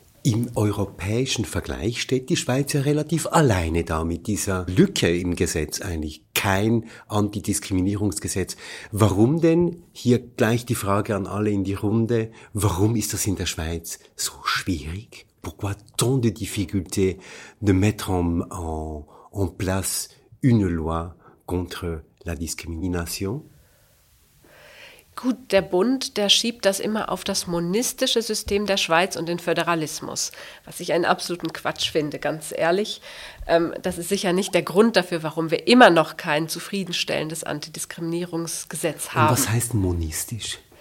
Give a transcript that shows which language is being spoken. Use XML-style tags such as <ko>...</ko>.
<de>Im europäischen Vergleich steht die Schweiz ja relativ alleine da mit dieser Lücke im Gesetz, eigentlich kein Antidiskriminierungsgesetz. Warum denn, hier gleich die Frage an alle in die Runde, warum ist das in der Schweiz so schwierig?</de> <fr>Pourquoi tant de difficulté de mettre en place une loi contre la discrimination?</fr> <de>Gut, der Bund, der schiebt das immer auf das monistische System der Schweiz und den Föderalismus, was ich einen absoluten Quatsch finde, ganz ehrlich. Das ist sicher nicht der Grund dafür, warum wir immer noch kein zufriedenstellendes Antidiskriminierungsgesetz haben. Und was heißt monistisch?</de>